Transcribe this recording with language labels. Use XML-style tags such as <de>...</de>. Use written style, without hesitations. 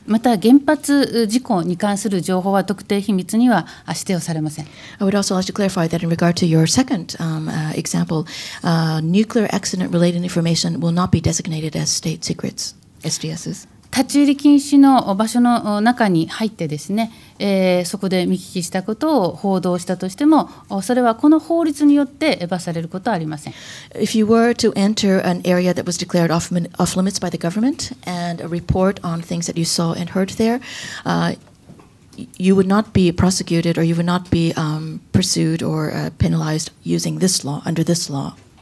<ja>また原発事故に関する情報は特定秘密には指定をされません。</ja> <en>I would also like to clarify that in regard to your second example, nuclear accident related information will not be designated as state secrets, SDSs.</en> <ja>立ち入り禁止の場所の中に入ってですね、そこで見聞きしたことを報道したとしても、それはこの法律によって罰されることはありません。</ja> <en>If you were to enter an area that was declared off limits by the government and a report on things that you saw and heard there, you would not be prosecuted or you would not be pursued or penalized using this law, under this law.</en>